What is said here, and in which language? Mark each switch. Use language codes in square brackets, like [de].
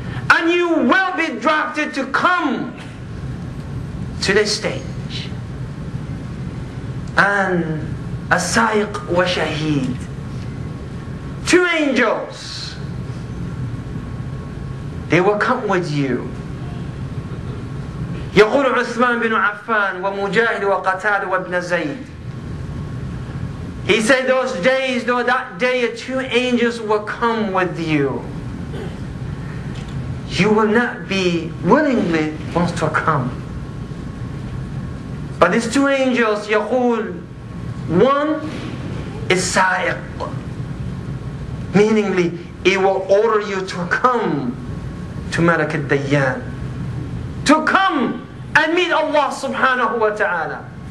[en] And you will be drafted to come to this stage. And As-Saiq wa Shaheed, two angels, they will come with you. [ar] يقول عثمان بن عفان ومجاهد وقتاد وابن زيد. [en] He said those days, though that day, two angels will come with you. You will not be willingly wants to come. But these two angels, يقول, one is Sa'iq, meaningly it will order you to come to Malak al-Dayyan, to come and meet Allah subhanahu wa ta'ala.